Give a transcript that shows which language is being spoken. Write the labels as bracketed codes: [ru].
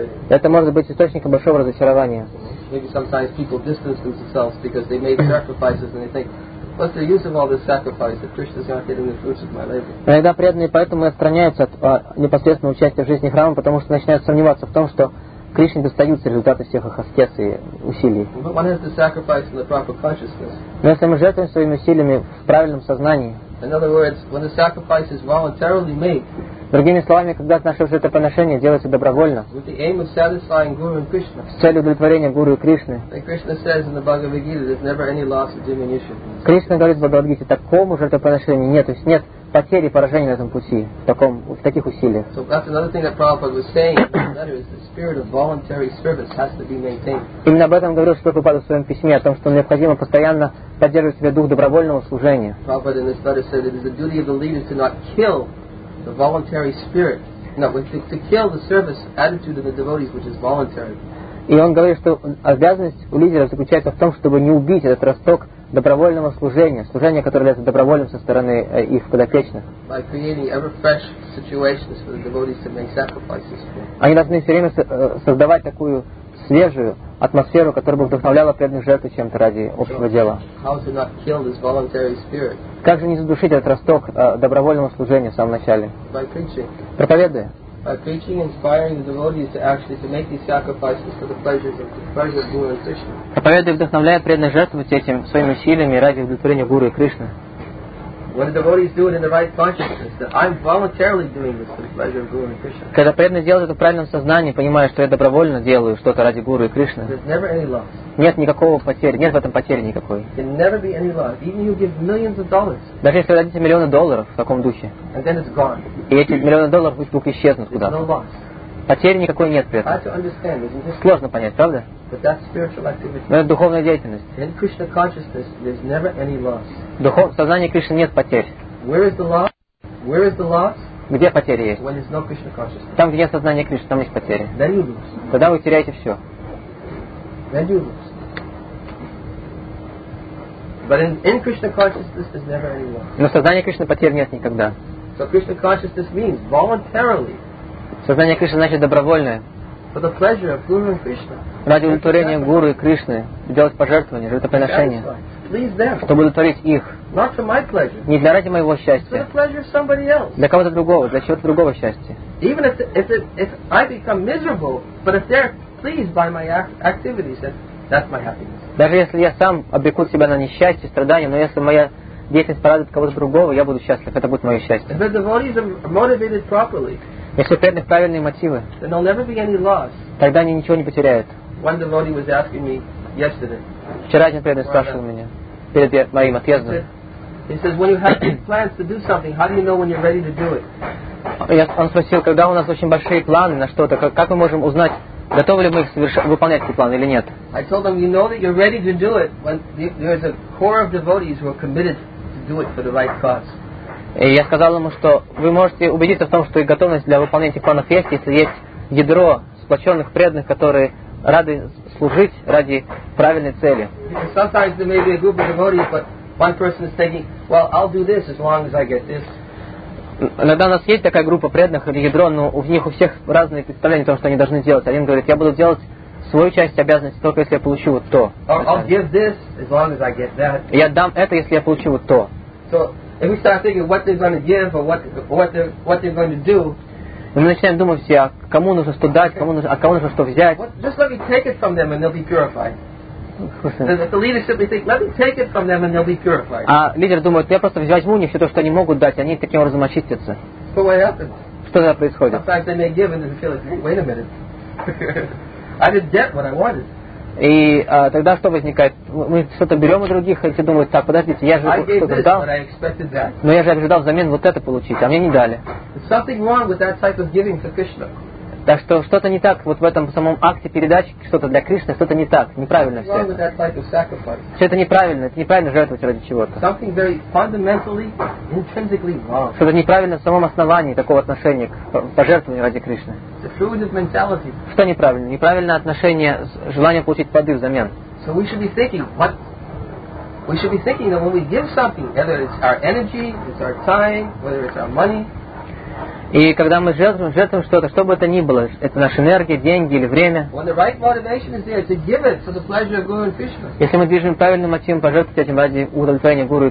[ru] Это может быть источником большого разочарования. [en] Maybe sometimes people distance themselves because they make sacrifices and they think, what's the use of all this sacrifice if Krishna's not getting the fruits of my labor? [ru] Иногда преданные поэтому и отстраняются от непосредственного участия в жизни храма, потому что начинают сомневаться в том, что Кришне достаются результаты всех их аскез и усилий. Но если мы жертвуем своими усилиями в правильном сознании, [en] In other words, when the sacrifice is voluntarily made, [ru] другими словами, когда наше жертвоприношение делается добровольно, [en] with the aim of satisfying Guru and Krishna, [ru] с целью удовлетворения Гуру и Кришны, [en] then Krishna says in the Bhagavad Gita, there's never any loss or diminution. [ru] Кришна говорит в Бхагавад Гите, такому жертвоприношению нет, то есть нет потери и поражения на этом пути, в таких усилиях. [en] So that's another thing that Prabhupada was saying in the letter, is the spirit of voluntary service has to be maintained. [ru] Именно об этом говорил Шри Прабхупада в своем письме, о том, что необходимо постоянно поддерживать себя дух добровольного служения. [en] Prabhupada in this letter said that it is the duty of the leader to not kill the voluntary spirit, to kill the service attitude of the devotees, which is voluntary. [ru] И он говорит, что обязанность у лидера заключается в том, чтобы не убить этот росток добровольного служения, служения, которое является добровольным со стороны их подопечных. [en] By creating ever fresh situations for the devotees to make sacrifices for. [ru] Они должны все время создавать такую свежую атмосферу, которая бы вдохновляла преданных жертвы чем-то ради общего дела. [en] How to not kill this voluntary spirit? [ru] Как же не задушить этот росток добровольного служения в самом начале? [en] By preaching. [ru] Проповедуя. [en] By preaching, inspiring the devotees to actually to make these sacrifices for the pleasures of the pleasure of Guru and Krishna. [ru] Проповедуя, вдохновляя преданных жертвовать этим своими усилиями ради удовлетворения Гуру и Кришны. [en] When the devotees do it in the right consciousness, that I'm voluntarily doing this for the pleasure of Guru and Krishna. [ru] Когда преданный делает это в правильном сознании, понимая, что я добровольно делаю что-то ради Гуру и Кришны. [en] There's never any loss. [ru] Нет никакого потери, нет в этом потери никакой. [en] There can never be any loss, even if you give millions of dollars. [ru] Даже если вы дадите миллионы долларов в таком духе. [en] And then it's gone. [ru] И эти миллионы долларов вдруг исчезнут куда-то. [en] There's no loss. [ru] Потери никакой нет при этом. [en] Hard to understand, isn't it? [ru] Сложно понять, правда? [en] But that's spiritual activity. [ru] Но это духовная деятельность. [en] In Krishna consciousness, there's never any loss. [ru] В сознании Кришны нет потерь. [en] Where is the loss? Where is the loss? [ru] Где потери есть? [en] When there's no Krishna consciousness. [ru] Там, где нет сознания Кришны, там есть потери. [en] Then you lose. Тогда вы теряете все. Then you lose. But in Krishna consciousness, there's never any loss. [ru] Но в сознании Кришны потерь нет никогда. [en] So Krishna consciousness means voluntarily. [ru] Сознание Кришны значит добровольное. [en] For the pleasure of Guru and Krishna. [ru] Ради удовлетворения Гуру и Кришны делать пожертвования, жертвоприношения. Чтобы удовлетворить их. [en] Not for my pleasure. [ru] Не для ради моего счастья. [en] For the pleasure of somebody else. [ru] Для кого-то другого, для чего-то другого счастья. [en] Even if I become miserable, but if they're pleased by my activities, that's my happiness. [ru] Даже если я сам обреку себя на несчастье, страдания, но если моя деятельность порадует кого-то другого, я буду счастлив, это будет мое счастье. [en] If the devotees are motivated properly, [ru] если у преданных правильные мотивы, [en] then there'll never be any loss. [ru] Тогда они ничего не потеряют. [en] One devotee was asking me yesterday, [ru] вчера один преданный спрашивал меня перед моим отъездом. [en] He says, when you have big plans to do something, how do you know when you're ready to do it? [ru] Он спросил, когда у нас очень большие планы на что-то, как мы можем узнать, готовы ли мы выполнять эти планы или нет? [en] I told them, you know that you're ready to do it when there's a core of devotees who are committed to do it for the right cause. [ru] И я сказал ему, что вы можете убедиться в том, что готовность для выполнения планов есть, если есть ядро сплоченных преданных, которые рады служить ради правильной цели. [en] Because sometimes there may be a group of devotees, but one person is thinking, well, I'll do this as long as I get this. [ru] Иногда у нас есть такая группа преданных или ядро, но у них у всех разные представления о том, что они должны делать. Один говорит, я буду делать свою часть обязанности только если я получу вот то. [en] I'll give this as long as I get that. [ru] Я дам это, если я получу вот то. [en] So if we start thinking what they're going to give or what they're going to do. [ru] Мы начинаем думать все, а кому нужно что дать, от кого нужно что взять. [en] Just let me take it from them and they'll be purified. The leader simply thinks, let me take it from them and they'll be purified. [ru] А лидер думает, я просто возьму у них все то, что они могут дать, и они таким образом очистятся. [en] But what happens? [ru] Что тогда происходит? [en] Sometimes they may give and they feel like, hey, wait a minute. I didn't get what I wanted. [ru] И тогда что возникает? Мы что-то берем у других, и все думают, так, подождите, я же что-то дал, но я же ожидал взамен вот это получить, а мне не дали. Так что что-то не так вот в этом самом акте передачи, что-то для Кришны, что-то не так, неправильно все это. Все это неправильно, это неправильно жертвовать ради чего-то. Что-то неправильно в самом основании такого отношения к пожертвованию ради Кришны. Что неправильно? Неправильное отношение с желанием получить плоды взамен. [en] So we should be thinking, what? We should be thinking that when we give something, whether it's our energy, it's our time, whether it's our money. [ru] И когда мы жертвуем что-то, что бы это ни было, это наша энергия, деньги или время. Если мы движем правильным мотивом пожертвовать этим ради удовлетворения Гуру и